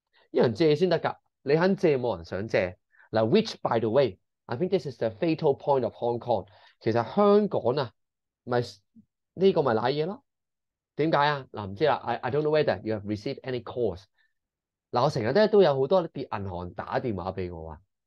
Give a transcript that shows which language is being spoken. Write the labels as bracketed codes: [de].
[yue] 有人借先得噶, 你肯借冇人想借。 [en] Now, which, by the way, I think this is the fatal point of Hong Kong. [yue] 其實香港啊, 這個就是糟糕了。為什麼啊? 不知道, [en] I don't know whether you have received any calls. [yue] 我經常都有很多銀行打電話給我。